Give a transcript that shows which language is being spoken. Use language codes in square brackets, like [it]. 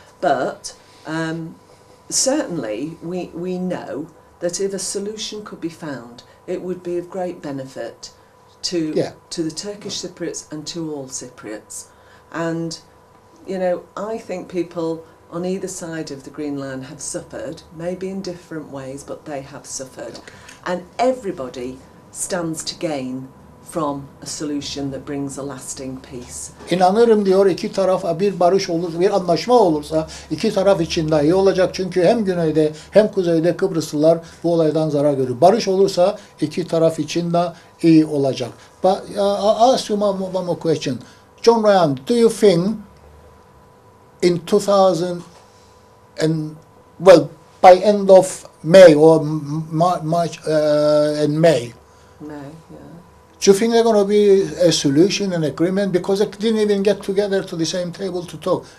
[en] But certainly we know that if a solution could be found, it would be of great benefit to the Turkish Cypriots and to all Cypriots. And, you know, I think people on either side of the Green Line have suffered, maybe in different ways, but they have suffered. Okay. And everybody stands to gain from a solution that brings a lasting peace. [tr] İnanırım diyor iki taraf bir barış olursa, bir anlaşma olursa iki taraf için daha iyi olacak. Çünkü hem güneyde hem kuzeyde Kıbrıslılar bu olaydan zarar görür. Barış olursa iki taraf için de iyi olacak. [en] But I'll ask you one more question. John Ryan, do you think in 2000 and well by end of May or March in May? Do you think there's going to be a solution, an agreement? Because they didn't even get together to the same table to talk.